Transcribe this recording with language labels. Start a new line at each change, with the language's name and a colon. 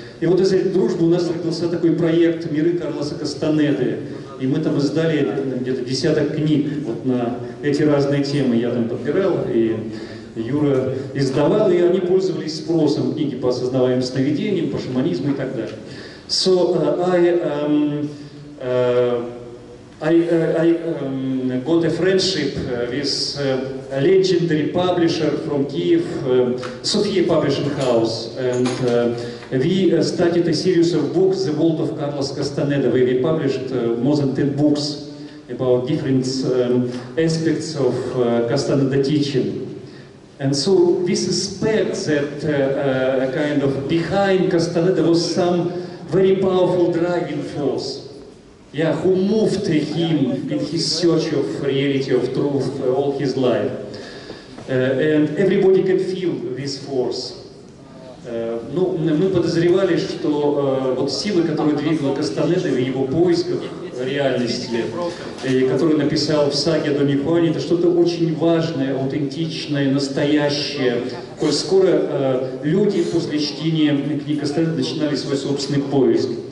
Russian: И вот из этой дружбы у нас родился такой проект «Миры Карлоса Кастанеды». И мы там издали где-то десяток книг вот на эти разные темы. Я там подбирал, и Юра издавал, и они пользовались спросом. Книги по осознаваемым сновидениям, по шаманизму и так далее.
English: So I got a friendship with a legendary publisher from Kyiv, Sofia Publishing House, and we started a series of books, The World of Carlos Castaneda, where we published more than 10 books about different aspects of Castaneda teaching. And so we suspect that a kind of behind Castaneda was some very powerful driving force, yeah, who moved him in his search of reality, of truth, all his life. And everybody can feel this force.
Russian: Ну, мы подозревали, что вот силы, которые двигала Кастанеда в его поисках реальности, и который написал в саге о Доне Хуане, это что-то очень важное, аутентичное, настоящее. Коль скоро люди после чтения книги Кастанеды начинали свой собственный поиск.